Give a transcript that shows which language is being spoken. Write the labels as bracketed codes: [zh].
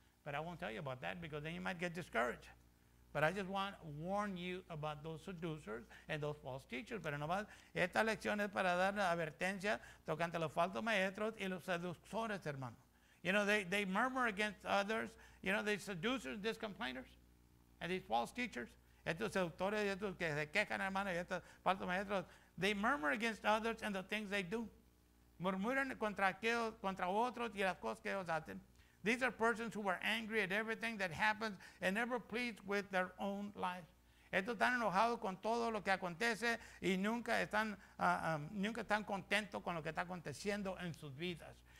[en] But I won't tell you about that because then you might get discouraged. But I just want to warn you about those seducers and those false teachers. [es] Pero no más, esta lección es para dar la advertencia tocante a los falsos maestros y los seductores, hermano. [en] You know, they murmur against others. You know, these seducers, these complainers, and these false teachers. [es] Estos seductores y estos que se quejan, hermano, y estos falsos maestros. [en] They murmur against others and the things they do. [es] Murmuran contra otros y las cosas que ellos hacen. [en] These are persons who are angry at everything that happens and never pleased with their own life. [es] Estos están enojados con todo lo que acontece y nunca están contentos con lo que está aconteciendo en sus vidas.